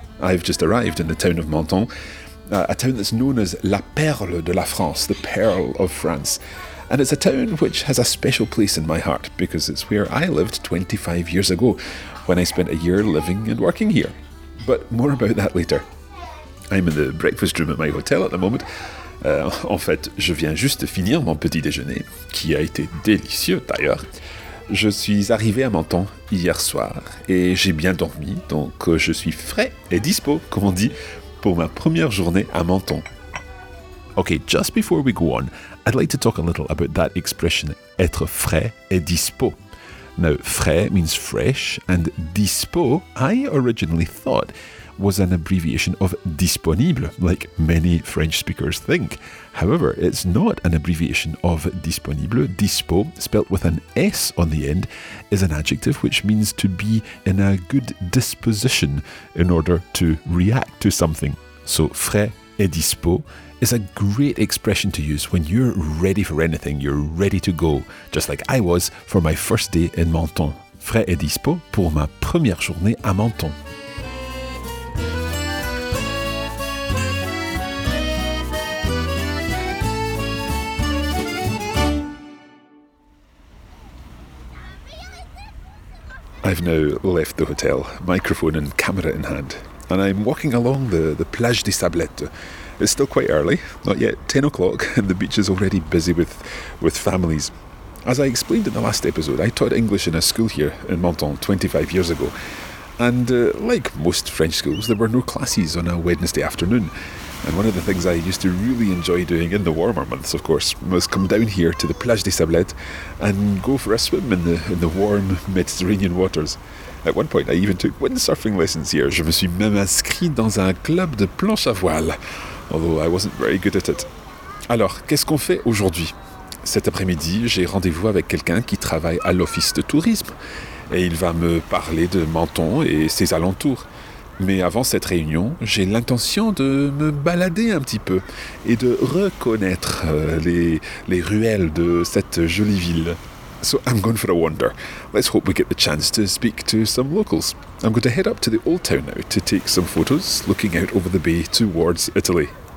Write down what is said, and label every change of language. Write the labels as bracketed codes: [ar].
[en] I've just arrived in the town of Menton, a town that's known as La Perle de la France, the Pearl of France. And it's a town which has a special place in my heart, because it's where I lived 25 years ago, when I spent a year living and working here. But more about that later. I'm in the breakfast room at my hotel at the moment. [fr] En fait, je viens juste de finir mon petit déjeuner, qui a été délicieux d'ailleurs. Je suis arrivé à Menton hier soir et j'ai bien dormi, donc je suis frais et dispo, comme on dit, pour ma première journée à Menton. [en] Okay, just before we go on, I'd like to talk a little about that expression, [fr] être frais et dispo. [en] Now, frais means fresh, and dispo, I originally thought, was an abbreviation of disponible, like many French speakers think. However, it's not an abbreviation of disponible. Dispo, spelt with an S on the end, is an adjective which means to be in a good disposition in order to react to something. So, frais et dispo is a great expression to use when you're ready for anything, you're ready to go, just like I was for my first day in Menton. [fr] Frais et dispo pour ma première journée à Menton. [en] I've now left the hotel, microphone and camera in hand, and I'm walking along the Plage des Sablettes. It's still quite early, not yet 10 o'clock, and the beach is already busy with families. As I explained in the last episode, I taught English in a school here in Menton 25 years ago, and like most French schools, there were no classes on a Wednesday afternoon, and one of the things I used to really enjoy doing in the warmer months, of course, was come down here to the Plage des Sablettes and go for a swim in the warm Mediterranean waters. At one point, I even took windsurfing lessons here. [fr] Je me suis même inscrit dans un club de planche à voile. [en] Although I wasn't very good at it. [fr] Alors, qu'est-ce qu'on fait aujourd'hui? Cet après-midi, j'ai rendez-vous avec quelqu'un qui travaille à l'office de tourisme, et il va me parler de Menton et ses alentours. Mais avant cette réunion, j'ai l'intention de me balader un petit peu, et de reconnaître les ruelles de cette jolie ville. [en] So I'm going for a wander. Let's hope we get the chance to speak to some locals. I'm going to head up to the old town now to take some photos looking out over the bay towards Italy.